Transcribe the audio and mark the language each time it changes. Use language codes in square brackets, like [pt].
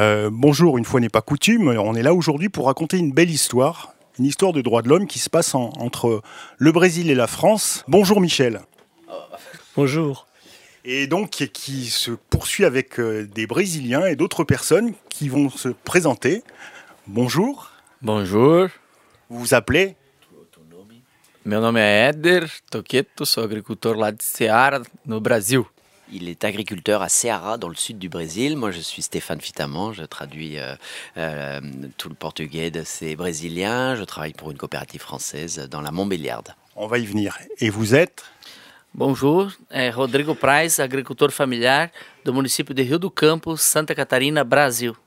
[fr] Bonjour, une fois n'est pas coutume, on est là aujourd'hui pour raconter une belle histoire, une histoire de droits de l'homme qui se passe entre le Brésil et la France. Bonjour Michel. Bonjour. Et donc qui se poursuit avec des Brésiliens et d'autres personnes qui vont se présenter. Bonjour. Bonjour. Vous vous appelez ? [pt] Meu nome é Éder Toqueto, sou agricultor lá de Ceará, no Brasil. [fr] Il est agriculteur à Ceará, dans le sud du Brésil. Moi, je suis Stéphane Fitaman, je traduis tout le portugais de ces Brésiliens. Je travaille pour une coopérative française dans la Montbéliarde. On va y venir. Et vous êtes ? Bonjour, Rodrigo Praes, agriculteur familial du municipio de Rio do Campo, Santa Catarina, Brasil.